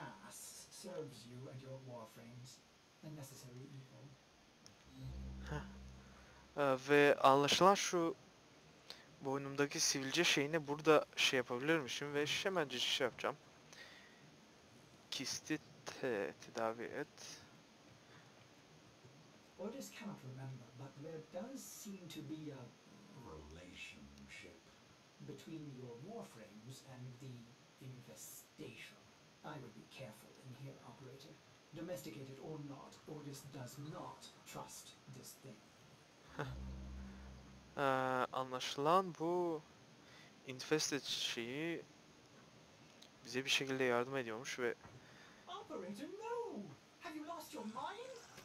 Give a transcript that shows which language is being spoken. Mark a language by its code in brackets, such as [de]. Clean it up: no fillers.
[en] Serves you and your warframes a necessary evil. [tr] Ve anlaşılan şu boynumdaki sivilce şeyini burada şey yapabilirmişim ve hemence şey yapacağım. Kisti tedavi et. [en] Ordis cannot remember, but there does seem to be a relationship between your warframes and the infestation. I would be careful in here, operator. Domesticated or not, Ordis does not trust this thing. [tr] Anlaşılan bu infested şeyi bize bir şekilde yardım ediyormuş ve [en] operator, no! Have you lost your mind?